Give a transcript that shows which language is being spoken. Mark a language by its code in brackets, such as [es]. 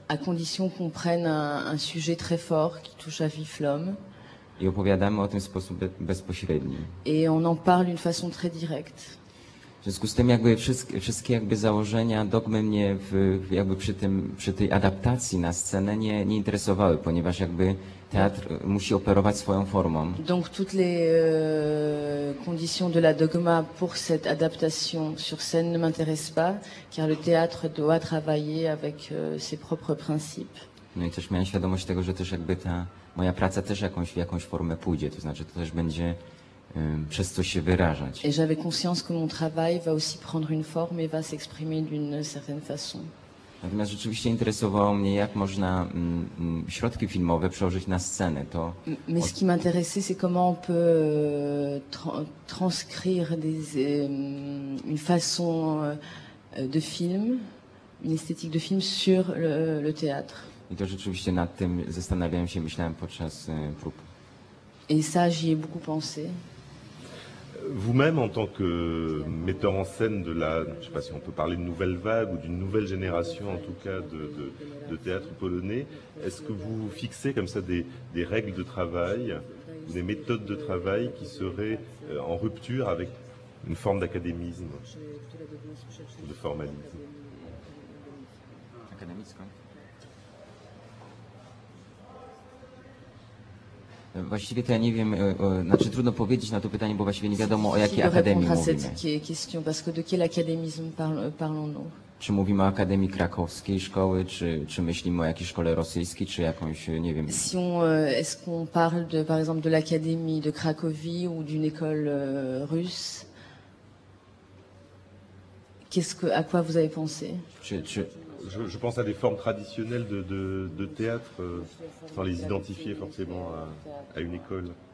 [fr] À condition qu'on prenne un sujet très fort qui touche à vif l'homme. [pl] I opowiadamy o tym w sposób bezpośredni. [fr] Et on en parle d'une façon très directe. [pl] W związku z tym jakby wszystkie jakby założenia dogmy mnie jakby przy tej adaptacji na scenę nie interesowały, ponieważ jakby teatr musi operować swoją formą. [fr] Donc toutes les conditions de la dogma pour cette adaptation sur scène ne m'intéressent pas, car le théâtre doit travailler avec ses propres principes. [pl] No i też miałem świadomość tego, że też jakby ta moja praca też jakąś formę pójdzie, to znaczy to też będzie przez co się wyrażać. [fr] Et j'avais conscience que mon travail va aussi prendre une forme et va s'exprimer d'une certaine façon. [pl] Natomiast rzeczywiście interesowało mnie, jak można środki filmowe przełożyć na scenę. To [fr] mais ce qui m'intéressait, c'est comment on peut transcrire une façon de film, une esthétique de film sur le théâtre. [pl] I to rzeczywiście nad tym zastanawiałem się, myślałem podczas prób. [fr] Et ça, j'y ai beaucoup pensé. Vous-même, en tant que metteur en scène de la, je ne sais pas si on peut parler de nouvelle vague ou d'une nouvelle génération, en tout cas, de théâtre polonais, est-ce que vous fixez comme ça des règles de travail, des méthodes de travail qui seraient en rupture avec une forme d'académisme, de formalisme ? [pl] Właściwie to ja nie wiem, znaczy trudno powiedzieć na to pytanie, bo właściwie nie wiadomo, o jakiej akademii mówimy. Czy mówimy o Akademii Krakowskiej Szkoły, czy myślimy o jakiejś szkole rosyjskiej, czy jakąś, nie wiem. [fr] Si on, est-ce qu'on parle de, par exemple, de l'Académie de Cracovie ou d'une école russe? Qu'est-ce que, à quoi vous avez pensé? Je pense à des formes traditionnelles de théâtre, sans les identifier forcément à une école.